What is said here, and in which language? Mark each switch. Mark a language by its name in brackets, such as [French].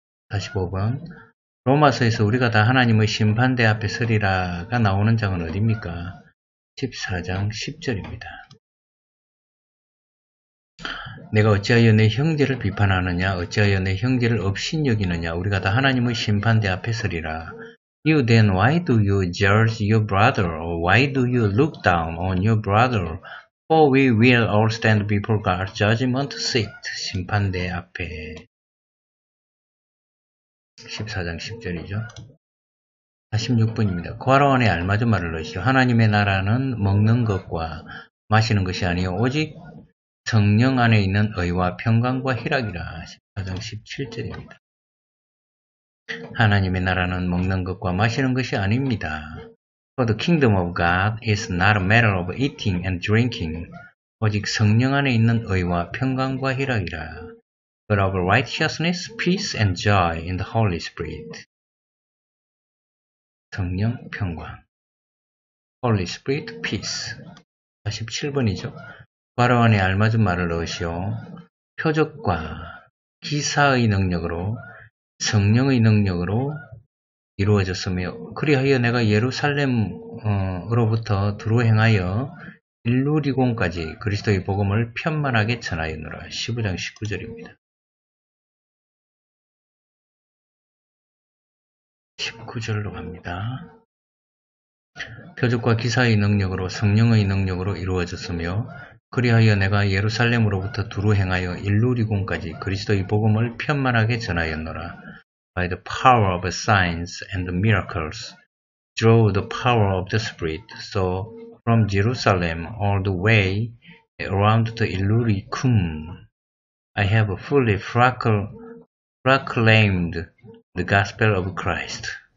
[Korean] 45번 로마서에서 우리가 다 하나님의 심판대 앞에 서리라가 나오는 장은 어디입니까? 14장 10절입니다. 내가 어찌하여 내 형제를 비판하느냐? 어찌하여 내 형제를 업신여기느냐? 우리가 다 하나님의 심판대 앞에 서리라. [English] You then, why do you judge your brother? Or why do you look down on your brother? For we will all stand before God's judgment seat, [Korean] 심판대 앞에. 14장 10절이죠. 46번입니다. 과로원에 알맞은 말을 넣으시오. 하나님의 나라는 먹는 것과 마시는 것이 아니오. 오직 성령 안에 있는 의와 평강과 희락이라. 14장 17절입니다. 하나님의 나라는 먹는 것과 마시는 것이 아닙니다. [English] For the kingdom of God is not a matter of eating and drinking. [Korean] 오직 성령 안에 있는 의와 평강과 희락이라. [English] But of righteousness, peace and joy in the Holy Spirit. [Korean] 성령, 평강. [English] Holy Spirit, peace. [Korean] 47번이죠. 바로안에 알맞은 말을 넣으시오. 표적과 기사의 능력으로 성령의 능력으로 이루어졌으며 그리하여 내가 예루살렘으로부터 두루 행하여 일루리곤까지 그리스도의 복음을 편만하게 전하였노라. 15장 19절입니다. 19절로 갑니다. 표적과 기사의 능력으로 성령의 능력으로 이루어졌으며 그리하여 내가 예루살렘으로부터 두루 행하여 일루리곤까지 그리스도의 복음을 편만하게 전하였노라. [English] By the power of signs and miracles through the power of the Spirit so from Jerusalem all the way around the Illyricum I have fully proclaimed the gospel of Christ.